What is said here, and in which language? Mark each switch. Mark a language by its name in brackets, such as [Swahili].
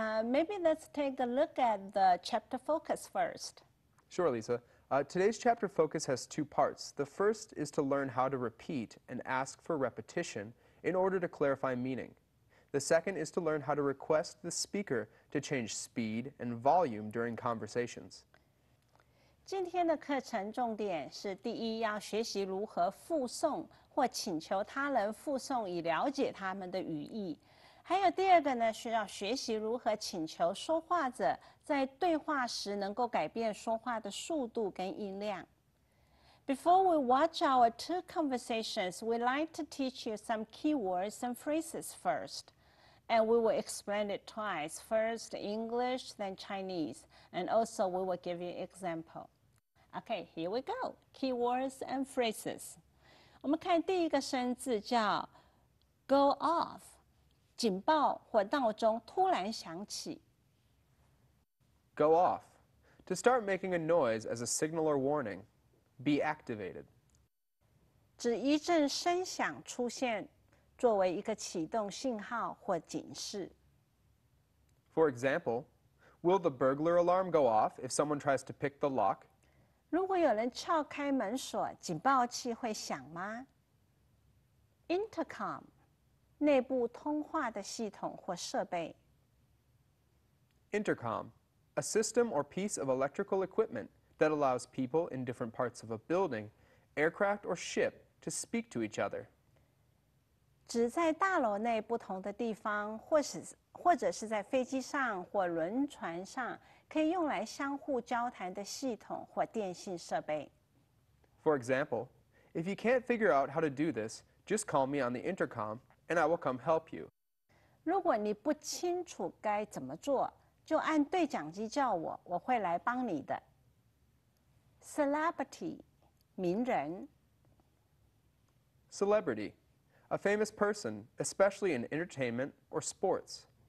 [English] Maybe let's take a look at the chapter focus first. Sure, Lisa. Today's chapter focus has two parts. The first is to learn how to repeat and ask for repetition in order to clarify meaning. The second is to learn how to request the speaker to change speed and volume during conversations. [Chinese] 今天的课程重点是第一，要学习如何复诵或请求他人复诵以了解他们的语义。还有第二个呢，需要学习如何请求说话者在对话时能够改变说话的速度跟音量。 [English] Before we watch our two conversations, we'd like to teach you some keywords and phrases first. And we will explain it twice, first English, then Chinese. And also we will give you an example. Okay, here we go. Keywords and phrases. [Chinese] 我们看第一个生字叫 go off, 警报或闹钟突然响起。 [English] Go off, to start making a noise as a signal or warning.Be activated. [Chinese] 指一阵声响出现，作为一个启动信号或警示。 [English] For example, will the burglar alarm go off if someone tries to pick the lock? [Chinese] 如果有人撬开门锁，警报器会响吗 ？Intercom， 内部通话的系统或设备。 [English] Intercom, a system or piece of electrical equipment that allows people in different parts of a building, aircraft or ship to speak to each other. [Chinese] 指在大楼内不同的地方，或者是在飞机上或轮船上可以用来相互交谈的系统或电信设备。 [English] For example, if you can't figure out how to do this, just call me on the intercom and I will come help you. [Chinese] 如果你不清楚该怎么做，就按对讲机叫我，我会来帮你的。 [English] Celebrity, 名人。 Celebrity, a famous person, especially in entertainment or sports.